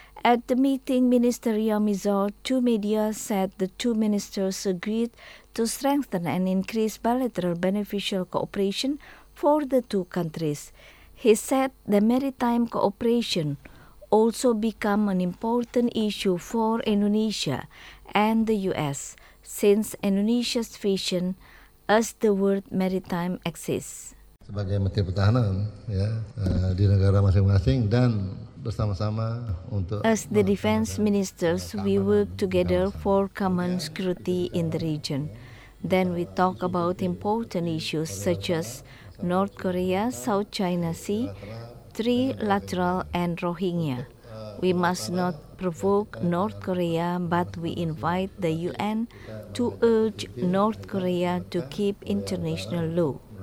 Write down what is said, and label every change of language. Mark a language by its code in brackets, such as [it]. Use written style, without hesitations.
[en] At the meeting, Minister Ria Mizar to media said the two ministers agreed to strengthen and increase bilateral beneficial cooperation for the two countries. He said the maritime cooperation also become an important issue for Indonesia and the U.S. since Indonesia's vision as the world maritime axis. [id] Sebagai Menteri Pertahanan ya, di negara masing-masing dan bersama-sama untuk [en] as the defense ministers, we work together for common security in the region. Then we talk about important issues such as North Korea, South China Sea, Trilateral and Rohingya. We must not provoke North Korea, but we invite the UN to urge North Korea to keep international law.